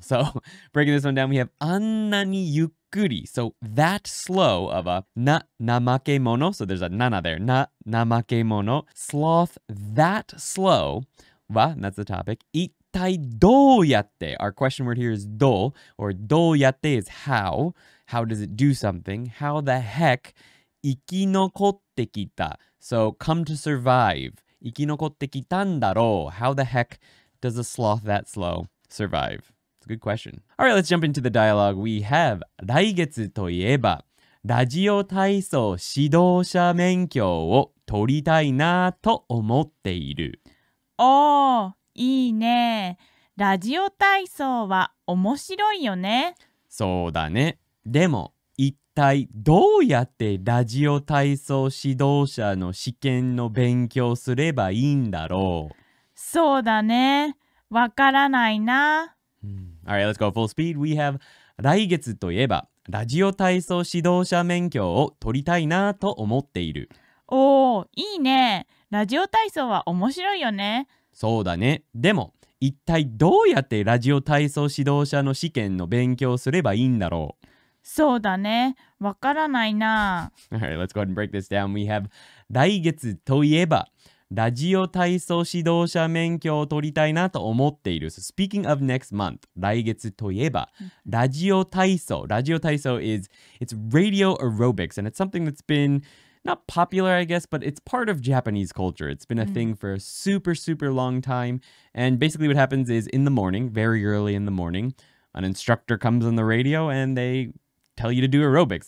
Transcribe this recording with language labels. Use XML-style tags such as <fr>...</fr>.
<en>So breaking this one down, we have</en> <ja>あんなにゆっくり</ja> <en>So that slow of a</en> <ja>na namake mono,</ja> <en>so there's a nana there, na namake mono, sloth that slow, wa, and that's the topic,</en> <ja>ittai do yatte,</ja> <en>our question word here is do, or</en> <ja>do yatte</ja> <en>is how does it do something, how the heck,</en> <ja>ikinokotte kita,</ja> <en>so come to survive,</en> <ja>ikinokotte kitan daro,</ja> <en>how the heck does a sloth that slow survive? It's a good question. All right, let's jump into the dialogue. We have</en> <ja>来月といえばラジオ体操指導者免許を取りたいなと思っている。おー、いいね。ラジオ体操は面白いよね。そうだね。でも一体どうやってラジオ体操指導者の試験の勉強すればいいんだろう。そうだね。わからないな。</ja> <en>All right, let's go full speed. We have</en> <ja>来月といえば、ラジオ体操指導者免許を取りたいなと思っている。おー、いいね。ラジオ体操は面白いよね。そうだね。でも、一体どうやってラジオ体操指導者の試験の勉強すればいいんだろう。そうだね。わからないな。</ja> <en>All right, let's go ahead and break this down. We have</en> <ja>来月といえば、ラジオ体操指導者免許を取りたいなと思っている。</ja> <en>So, speaking of next month,</en> <ja>来月といえば、ラジオ体操。</ja> <en>ラジオ体操 is, it's radio aerobics, and it's something that's been not popular, I guess, but it's part of Japanese culture. It's been a thing for a super, super long time. And basically what happens is in the morning, very early in the morning, an instructor comes on the radio and they tell you to do aerobics.</en>